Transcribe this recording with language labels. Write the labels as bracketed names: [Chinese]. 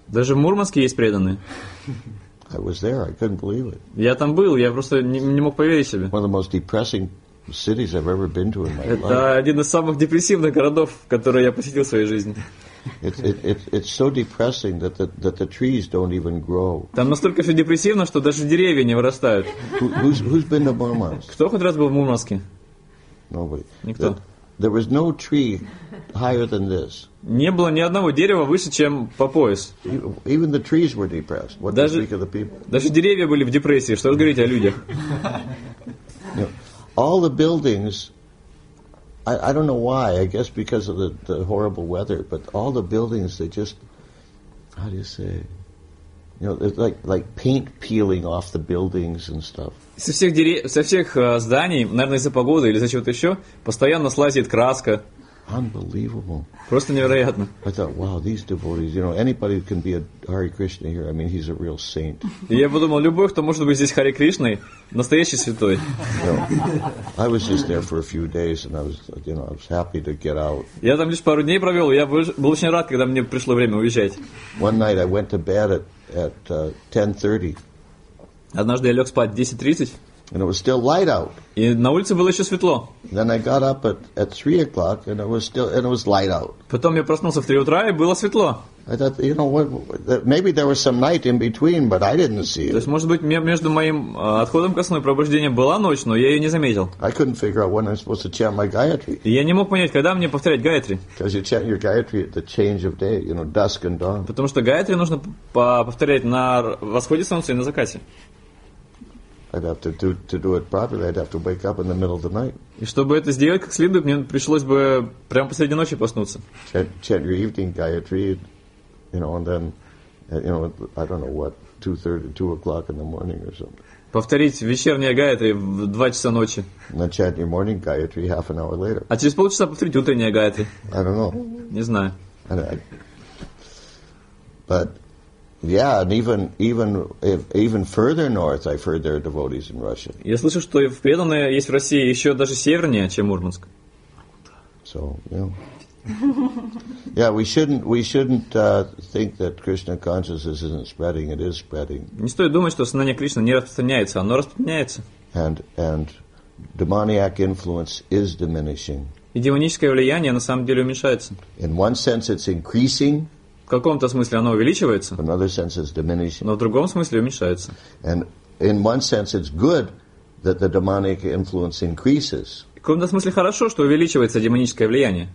[Russian] Даже в Мурманске есть преданные. [English] I was there. I couldn't believe it. [Russian] Я там был. Я просто не мог поверить себе. [English] One of the most depressing cities I've ever been to in my life. [Russian] Это один из самых депрессивных городов, которые я посетил в своей жизни. [English] It's so depressing that the trees don't even grow. [Russian] Там настолько все депрессивно, что даже деревья не вырастают. [English] Who's been to Murmansk? [Russian] Кто хоть раз был в Мурманске? [English] Nobody. [Russian] Никто. [English] There was no tree higher than this. [Russian] Не было ни одного дерева выше, чем по пояс. [English] Even the trees were depressed. What do you speak of the people? [Russian] Даже деревья были в депрессии. Что вы говорите о людях? [English] No. All the buildings, I don't know why, I guess because of the horrible weather, but all the buildings, they just, how do you say, you know, it's like paint peeling off the buildings and stuff. [Russian] Со всех зданий, наверное, из-за погоды или за чего-то еще, постоянно слазит краска. [English] Unbelievable. [Russian] Просто невероятно. [English] I thought, wow, these devotees, you know, anybody can be a Hare Krishna here, I mean, he's a real saint. [Russian] Я подумал, любой, кто может быть здесь Харе Кришной, настоящий святой. [English] I was just there for a few days, and I was, you know, I was happy to get out. [Russian] Я там лишь пару дней провел, я был очень рад, когда мне пришло время уезжать. [English] One night I went to bed at 10:30. [Russian] Однажды я лег спать в 10:30. [English] And it was still light out. [Russian] И на улице было еще светло. [English] Then I got up at 3:00 and it was light out. [Russian] Потом я проснулся в 3 утра и было светло. [English] I thought, you know, maybe there was some night in between, but I didn't see it. [Russian] То есть, может быть, между моим отходом ко сну и пробуждением была ночь, но я ее не заметил. [English] I couldn't figure out when I'm supposed to chant my Gayatri. [Russian] Я не мог понять, когда мне повторять Гаятри. [English] Because you chant your Gayatri at the change of day, you know, dusk and dawn. [Russian] Потому что Гаятри нужно повторять на восходе солнца и на закате. [English] I'd have to do it properly. I'd have to wake up in the middle of the night. [Russian] И чтобы это сделать как следует, мне пришлось бы прямо посреди ночи проснуться. [English] Chant your evening Gayatri, you know, and then, you know, I don't know what, 2:30, 2:00 in the morning or something. [Russian] Повторить вечернее Гаятри в 2 часа ночи. [English] Then chant your morning Gayatri half an hour later. [Russian] А через полчаса повторить утреннее Гаятри. [English] I don't know. [Russian] Не знаю. [English] But yeah, and even further north, I've heard there are devotees in Russia. [Russian] Я слышал, что в преданные есть в России еще даже севернее, чем Мурманск. [English] So, yeah. Yeah, we shouldn't think that Krishna consciousness isn't spreading. It is spreading. [Russian] Не стоит думать, что сознание Кришны не распространяется. Оно распространяется. [English] And demoniac influence is diminishing. [Russian] И демоническое влияние на самом деле уменьшается. [English] In one sense, it's increasing. [Russian] В каком-то смысле оно увеличивается, [English] in another sense it's diminishing. [Russian] Но в другом смысле уменьшается. [English] And in one sense it's good that the demonic influence increases. [Russian] В каком-то смысле хорошо, что увеличивается демоническое влияние.